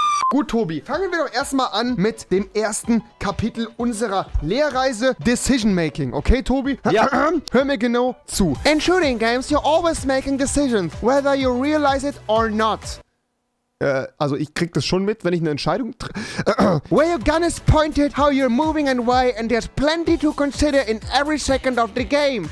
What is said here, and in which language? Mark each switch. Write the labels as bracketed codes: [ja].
[de] Gut, Tobi, fangen wir doch erstmal an mit dem ersten Kapitel unserer Lehrreise Decision Making. Okay, Tobi? Ja. Hör mir genau zu. [en] In Shooting Games, you're always making decisions, whether you realize it or not. [de] Also ich krieg das schon mit, wenn ich eine Entscheidung [en] Where your gun is pointed, how you're moving and why, and there's plenty to consider in every second of the game.